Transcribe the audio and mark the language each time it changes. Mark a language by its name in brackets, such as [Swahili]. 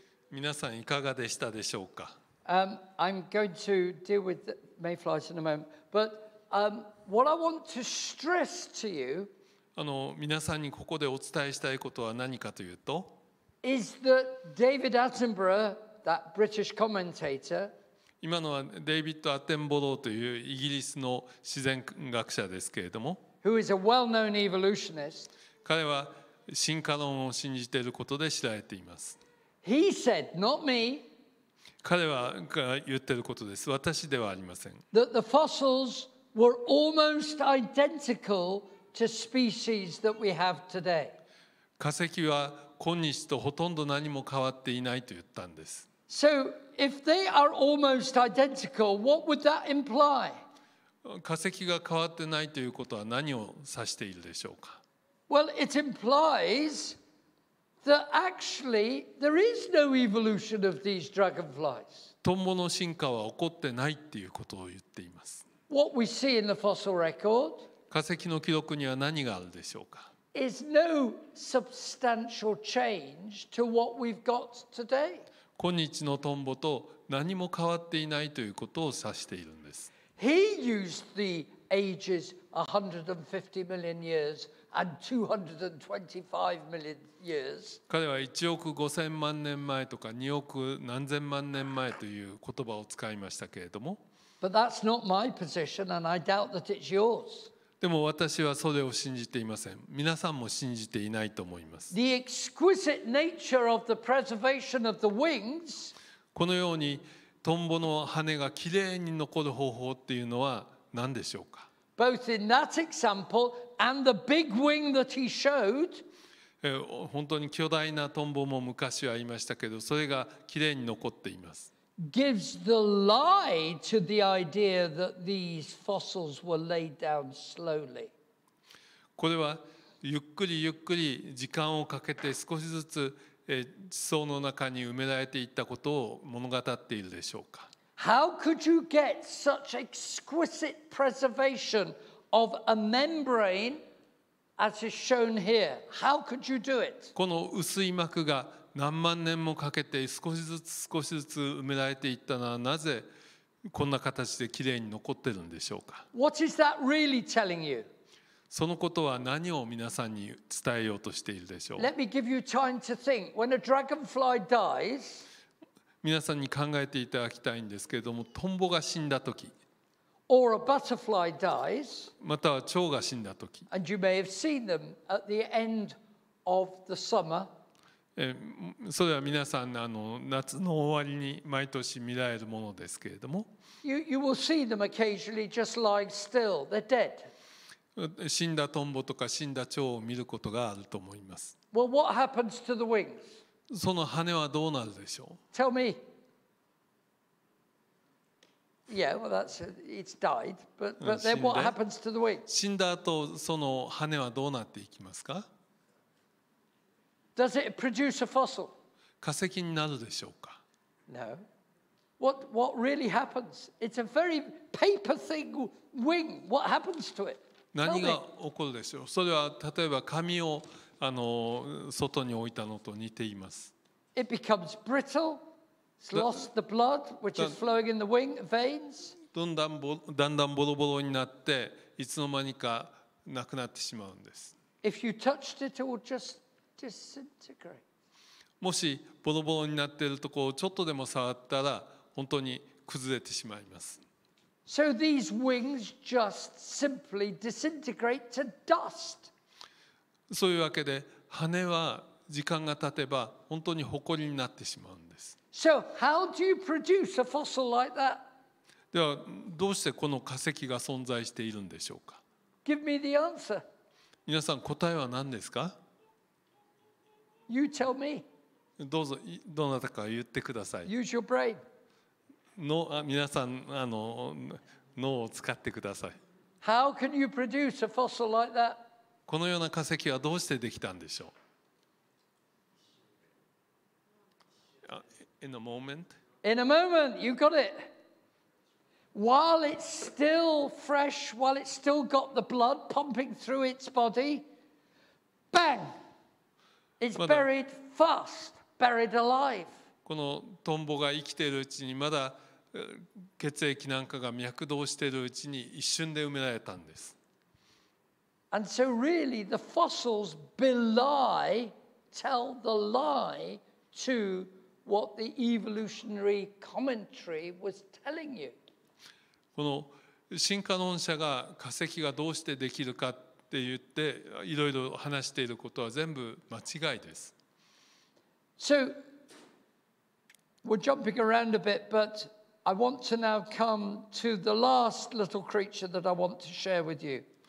[Japanese] 皆さんいかがでしたでしょうか。 [English] I'm going to deal with mayflies in a moment, but what I want to stress to you, [Japanese] 皆さんにここでお伝えしたいことは何かというと、 [English] is that David Attenborough, that British commentator, [Japanese] 今のはデイビッド・アテンボローというイギリスの自然学者ですけれども、 [English] who is a well-known evolutionist, [Japanese] 彼は進化論を信じていることで知られています。 [English] He said, not me. [Japanese] 彼は言っていることです。私ではありません。 [English] That the fossils were almost identical to species that we have today. [Japanese] 化石は今日とほとんど何も変わっていないと言ったんです。 [English] So if they are almost identical, what would that imply? [Japanese] 化石が変わってないということは何を指しているでしょうか。 [English] Well, it implies. That actually there is no evolution of these dragonflies. [Japanese] トンボの進化は起こってないっていうことを言っています。 [English] What we see in the fossil record? [Japanese] 化石の記録には何があるでしょうか。 [English] Is no substantial change to what we've got today. [Japanese] 今日のトンボと何も変わっていないということを指しているんです。 [English] He used the ages 150 million years. And 225 million years. [Japanese] 彼は1億5000万年前とか2億何千万年前という言葉を使いましたけれども。 [English] But that's not my position, and I doubt that it's yours. [Japanese] でも私はそれを信じていません。皆さんも信じていないと思います。 [English] The exquisite nature of the preservation of the wings. [Japanese] このようにトンボの羽がきれいに残る方法っていうのは何でしょうか。 [English] Both in that example and the big wing that he showed, [Japanese] 本当に巨大なトンボも昔はいましたけど、それがきれいに残っています。 [English] Gives the lie to the idea that these fossils were laid down slowly. [Japanese] これはゆっくりゆっくり時間をかけて少しずつ地層の中に埋められていったことを物語っているでしょうか。 [English] How could you get such exquisite preservation of a membrane as is shown here? How could you do it? [Japanese] この薄い膜が何万年もかけて少しずつ少しずつ埋められていったのはなぜこんな形できれいに残っているんでしょうか? [English] What is that really telling you? [Japanese] そのことは何を皆さんに伝えようとしているでしょう? [English] Let me give you time to think. When a dragonfly dies, [Japanese] 皆さんに考えていただきたいんですけれども、トンボが死んだとき、 [English] Or a butterfly dies, [Japanese] または蝶が死んだとき、 [English] And you may have seen them at the end of the summer, [Japanese] それは皆さん、あの夏の終わりに毎年見られるものですけれども、死んだトンボとか死んだ蝶を見ることがあると思います。 [English] Well, what happens to the wings? [Japanese] その羽はどうなるでしょう。 [English] Tell me. Yeah, well, that's it's died. But then what happens to the wings? [Japanese] 死んだ後、その羽はどうなっていきますか。 [English] Does it produce a fossil? [Japanese] 化石になるでしょうか。 [English] No. What really happens? It's a very paper thin wing. What happens to it? [Japanese] 何が起こるでしょう。それは例えば紙をあの外に置いたのと似ています。 [English] It becomes brittle. It's lost the blood which is flowing in the wing veins. [Japanese] だんだんボロボロになっていつの間にかなくなってしまうんです。 [English] If you touched it, it would just disintegrate. [Japanese] もしボロボロになっているところをちょっとでも触ったら本当に崩れてしまいます。 [English] So these wings just simply disintegrate to dust. [Japanese] そういうわけで羽は時間が経てば本当に埃になってしまうんです。 [English] So how do you produce a fossil like that? [Japanese] ではどうしてこの化石が存在しているんでしょうか。 [English] Give me the answer. [Japanese] 皆さん答えは何ですか。 [English] You tell me. [Japanese] どうぞどなたか言ってください。 [English] Use your brain. [Japanese] の皆さんあの脳を使ってください。 [English] How can you produce a fossil like that? [Japanese] このような化石はどうしてできたんでしょう。 [English] In a moment. In a moment, you got it. While it's still fresh, while it's still got the blood pumping through its body, bang! It's buried fast, buried alive. [Japanese] このトンボが生きているうちにまだ血液なんかが脈動しているうちに一瞬で埋められたんです。 [English] And so really the fossils belie, tell the lie to what the evolutionary commentary was telling you. [Japanese] この進化論者が化石がどうしてできるかって言っていろいろ話していることは全部間違いです。 [English] So we're jumping around a bit, but I want to now come to the last little creature that I want to share with you.